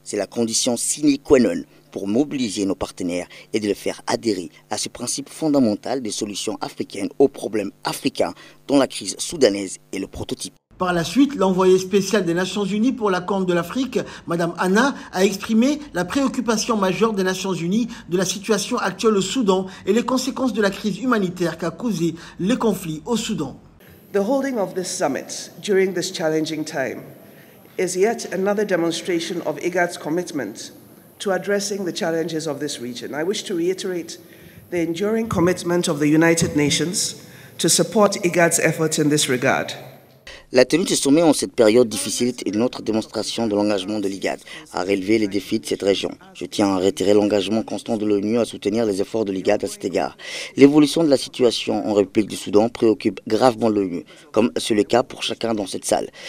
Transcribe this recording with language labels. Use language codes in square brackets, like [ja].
[fr] C'est la condition sine qua non pour mobiliser nos partenaires et de les faire adhérer à ce principe fondamental des solutions africaines aux problèmes africains dont la crise soudanaise est le prototype. Par la suite, l'envoyée spéciale des Nations Unies pour la Corne de l'Afrique, Madame Anna, a exprimé la préoccupation majeure des Nations Unies de la situation actuelle au Soudan et les conséquences de la crise humanitaire qu'a causé le conflit au Soudan. [en] The holding of this summit during this challenging time is yet another demonstration of IGAD's commitment to addressing the challenges of this region. I wish to reiterate the enduring commitment of the United Nations to support IGAD's efforts in this regard. [fr] La tenue de sommet en cette période difficile est une autre démonstration de l'engagement de l'IGAD à relever les défis de cette région. Je tiens à réitérer l'engagement constant de l'ONU à soutenir les efforts de l'IGAD à cet égard. L'évolution de la situation en République du Soudan préoccupe gravement l'ONU, comme c'est le cas pour chacun dans cette salle.